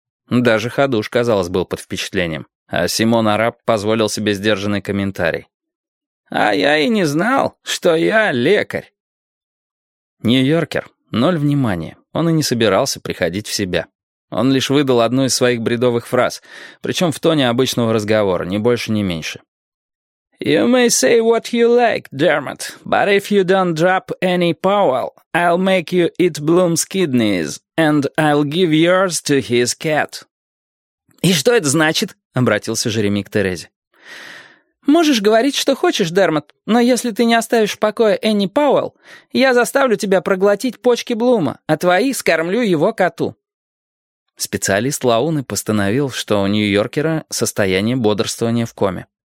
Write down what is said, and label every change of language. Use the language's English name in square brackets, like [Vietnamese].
[Russian] Даже Хадуш, казалось, был под впечатлением, а Симон Араб позволил себе сдержанный комментарий. «А я и не знал, что я лекарь». Нью-йоркер, ноль внимания, он и не собирался приходить в себя. Он лишь выдал одну из своих бредовых фраз, причем в тоне обычного разговора, ни больше, ни меньше. [English] «You may say what you like, Dermot, but if you don't drop any Powell, I'll make you eat Bloom's kidneys, and I'll give yours to his cat». [Russian] «И что это значит?» — обратился Жереми к Терезе. «Можешь говорить, что хочешь, Дермот, но если ты не оставишь в покое Энни Пауэлл, я заставлю тебя проглотить почки Блума, а твои скормлю его коту». Специалист Лауны постановил, что у нью-йоркера состояние бодрствования в коме.